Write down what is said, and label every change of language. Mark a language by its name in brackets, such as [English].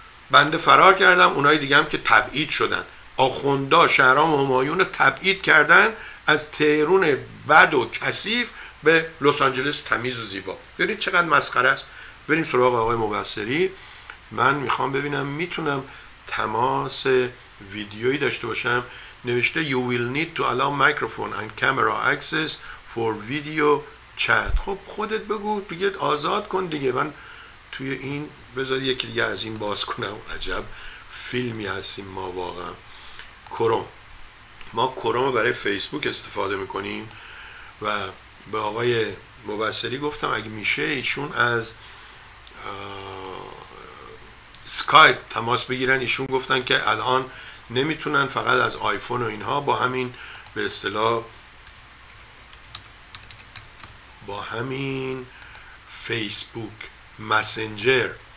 [Persian] بنده فرار کردم، اونای دیگه هم که تبعید شدن، آخوندا شهرام همایون رو تبعید کردن از تهران بد و کثیف به لس آنجلس تمیز و زیبا. ببینید چقدر مسخره است. بریم سراغ آقای مبصری. من میخوام ببینم میتونم تماس ویدیویی داشته باشم. نوشته [English] You will need to allow microphone and camera access for video chat. [Persian] خب خودت بگو دیگه، آزاد کن دیگه. من توی این بذار یکی دیگه از این باز کنم. عجب فیلمی هستیم ما واقعا. کروم، ما کروم رو برای فیسبوک استفاده میکنیم و به آقای مبصری گفتم اگه میشه ایشون از سکایپ تماس بگیرن، ایشون گفتن که الان نمیتونن، فقط از آیفون و اینها با همین به اصطلاح با همین فیسبوک مسنجر.